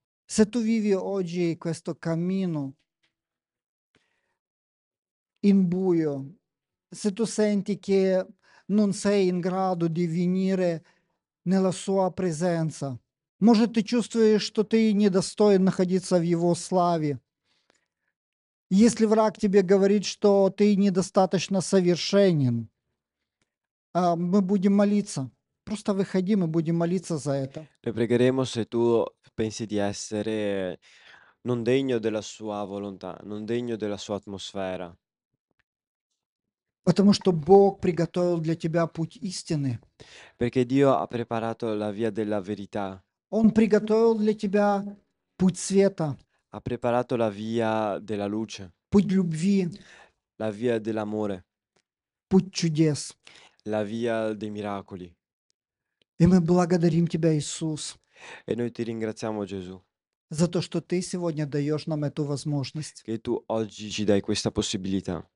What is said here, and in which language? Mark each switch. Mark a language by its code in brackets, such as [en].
[it] Se tu vivi oggi questo cammino in buio, se tu senti che non sei in grado di venire nella sua presenza, [uk] може ти чувствуєш, що ти недостоин находиться в Его славе. [ru] Если враг тебе говорит, что ты недостаточно совершенен, мы будем молиться. Просто выходи, мы будем молиться за это. [it] Te pregheremo se tu pensi di essere non degno della sua volontà, non degno della sua atmosfera. [ru] Потому что Бог приготовил для тебя путь истины. [it] Perché Dio ha preparato la via della verità. [ru] Он приготовил для тебя путь света. [it] Ha preparato la via della luce. [ru] Путь любви. [it] La via dell'amore. [ru] Путь чудес. [it] La via dei miracoli. [ru] И мы благодарим тебя, Иисус. [it] E noi ti ringraziamo, Gesù. [ru] За то, что ты сегодня даешь нам эту возможность. [it] Che tu oggi ci dai questa possibilità.